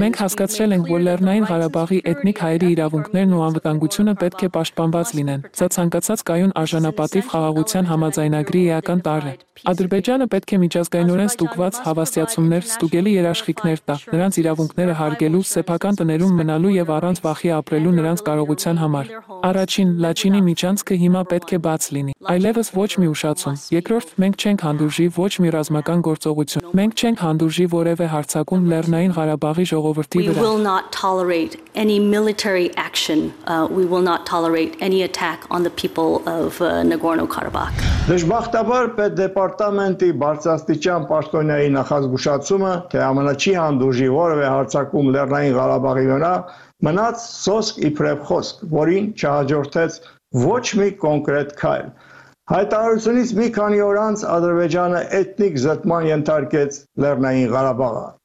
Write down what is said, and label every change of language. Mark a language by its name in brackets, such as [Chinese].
[Armenian] մենք հասկացրել ենք, որ Լեռնային Ղարաբաղի էթնիկ հայերի իրավունքներն ու անվտանգությունը պետք է պաշտպանված լինեն։ Սա ցանկացած կայուն արժանապատիվ խաղաղության համաձայնագրի էական տարր է։ Ադրբեջանը պետք է միջազգայնորեն ստուգված հավաստիացումներ ստուգելու երաշխիքներ տա, նրանց իրավունքները հարգելու, սեփական տներում մնալու եւ առանց վախի ապրելու նրանց կարողության համար։ Առաջին Լաչինի միջանցքը հիմա պետք է բաց լինի։ Այլևս ոչ մի ուշացում։ Երկրորդ, մենք չենք հանդուրժի ոչ մի ռազմական գործողություն։ Մենք չենք հանդուրժի որևէ հարցակում Լեռնային Ղարաբաղի ժողովրդի վրա։ [English] We will not tolerate any military action. We will not tolerate any attack on the people of Nagorno-Karabakh. [Armenian] Դժբախտաբար պետ դեպարտամենտի բարձրաստիճան պաշտոնյայի նախազգուշացումը, թե ԱՄՆ-ը չի հանդուրժի որևէ հարցակում Լեռնային Ղարաբաղի վրա, մնաց սոսկ իբրև խոսք, որին չհաջորդեց ոչ մի կոնկրետ քայլ։ Հայտարարությունից մի քանի օր անց Ադրբեջանը էթնիկ զտման ենթարկեց Լեռնային Ղարաբաղը։